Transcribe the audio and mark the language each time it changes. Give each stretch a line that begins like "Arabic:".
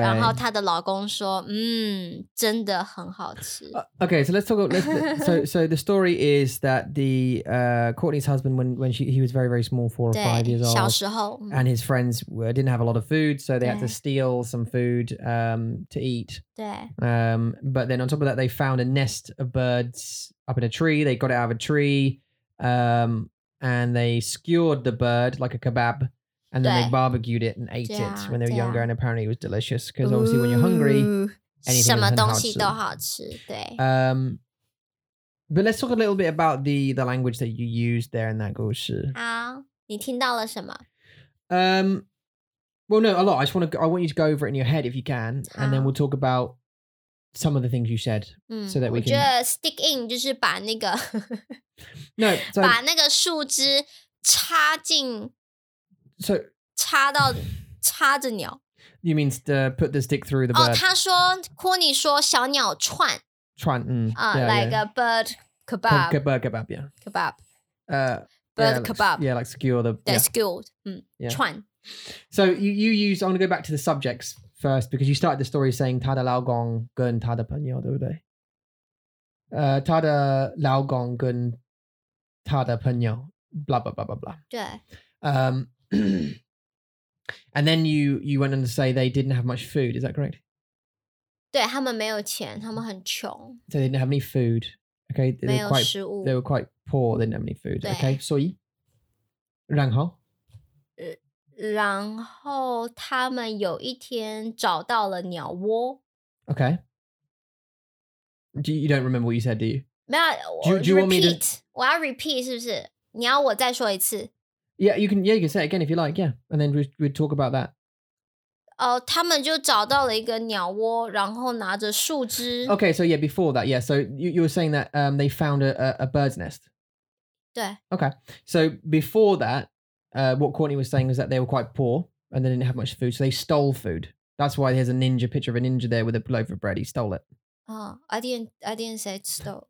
Chinese: 然后她的老公说，真的很好吃。
English: Okay, so let's talk. So the story is that the Courtney's husband, when he was very very small, 4 or 5 years old,
Chinese: 小时候
English: and his friends didn't have a lot of food, so they had to steal some food to eat.
Chinese: 对。
English: But then on top of that, they found a nest of birds up in a tree. They got it out of a tree, and they skewered the bird like a kebab. And then they barbecued it and ate it when they were younger, and apparently it was delicious. Because obviously, when you're hungry, anything is
Chinese: 很好吃。什么东西都好吃，对。
English: But let's talk a little bit about the language that you used there in that 故事.
Chinese: 好，你听到了什么？
English: Well, no, a lot. I want you to go over it in your head if you can, and then we'll talk about some of the things you said, so that we can...
Chinese: 我觉得
English: stick in
Chinese: 就是把那个...
English: No, so...
Chinese: 把那个树枝插进...
English: So...
Chinese: 插到...插着鸟。
English: You mean to put the stick through the bird?
Chinese: 他说, Courtney 说小鸟串。串,
English: like a bird kebab. Bird kebab, yeah. Kebab. Bird kebab. Yeah, like skewer the... Yeah, skewered. Yeah. 串。 So you use, I'm going to go back to the subjects first, because you started the story saying
Chinese: 他的老公跟他的朋友，对不对？他的老公跟他的朋友
English: blah blah blah blah blah.
Chinese: 对。
English: And then you went on to say they didn't have much food, is that correct?
Chinese: 对，他们没有钱，他们很穷。
English: So they didn't have any food, okay?
Chinese: 没有食物。
English: They were quite poor, they didn't have any food, okay?
Chinese: 所以，然后？然后他们有一天找到了鸟窝。
English: Okay. You don't remember what you said, do you?
Chinese: 没有,
English: do you want me to...
Chinese: repeat. 我要 repeat, 是不是？你要我再说一次。
English: Yeah, you can say it again if you like, yeah. And then we'll talk about that.
Chinese: 他们就找到了一个鸟窝，然后拿着树枝。
English: Okay, so yeah, before that, yeah. So you were saying that they found a bird's nest.
Chinese: 对。
English: Okay, so before that,what Courtney was saying was that they were quite poor and they didn't have much food, so they stole food. That's why there's a ninja, picture of a ninja there with a loaf of bread. He stole it. I didn't say stole.